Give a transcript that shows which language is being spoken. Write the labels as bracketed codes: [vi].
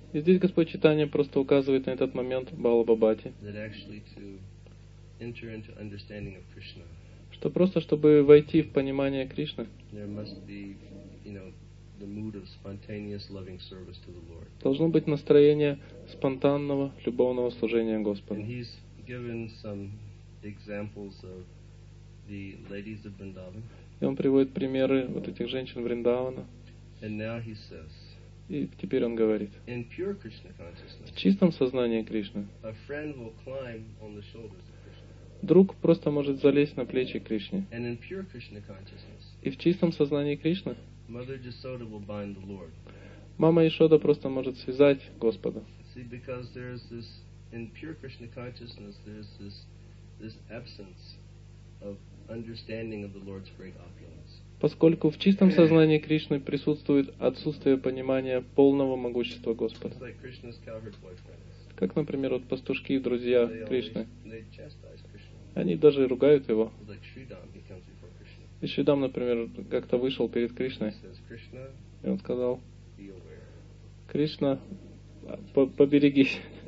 [ru] И здесь Господь Чайтанья просто указывает на этот момент Балабхате. [en] That actually to enter into understanding of Krishna. [ru] Что просто чтобы войти в понимание Кришны. [en] There must be, you know, the mood of spontaneous loving service to the Lord. [ru] Должно быть настроение спонтанного любовного служения Господу. [en] And he's given some examples of the ladies of Vrindavan. [ru] И он приводит примеры вот этих женщин Вриндавана. [en] And now he says. [ru] И теперь он говорит. [en] In pure Krishna consciousness. [ru] В чистом сознании Кришны. [en] A friend will climb on the shoulders of Krishna. [ru] Друг просто может залезть на плечи Кришны. [en] And in pure Krishna consciousness. [ru] И в чистом сознании Кришны. [en] Mother Yashoda will bind the Lord. [ru] Мама Ишода просто может связать Господа. [en] See, because there is this in pure Krishna consciousness, there is this absence of understanding of the Lord's great opulence. [ru] Поскольку в чистом сознании Кришны присутствует отсутствие понимания полного могущества Господа. [en] Just like Krishna's cowherd boyfriends. [ru] Как, например, вот пастушки и друзья [en] they [ru] Кришны. [en] They chastise Krishna. [ru] Они даже ругают его. [en] Like Shridam, he comes before Krishna. [ru] И Шридам, например, как-то вышел перед Кришной, и он сказал, Кришна, поберегись.